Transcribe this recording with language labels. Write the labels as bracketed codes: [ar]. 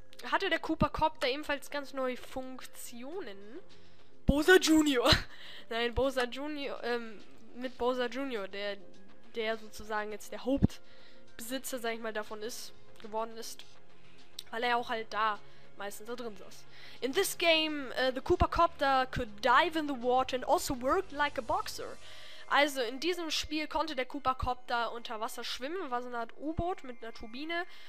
[de] Hatte der Koopa-Copter ebenfalls ganz neue Funktionen. Bowser Jr. Nein, Bowser Jr. Mit Bowser Jr., der sozusagen jetzt der Hauptbesitzer, sag ich mal, davon ist, geworden ist. Weil er auch halt da meistens da drin saß. [en] In this game, the Koopa-Copter could dive in the water and also work like a boxer. [de] Also, in diesem Spiel konnte der Koopa-Copter unter Wasser schwimmen, war so eine Art U-Boot mit einer Turbine.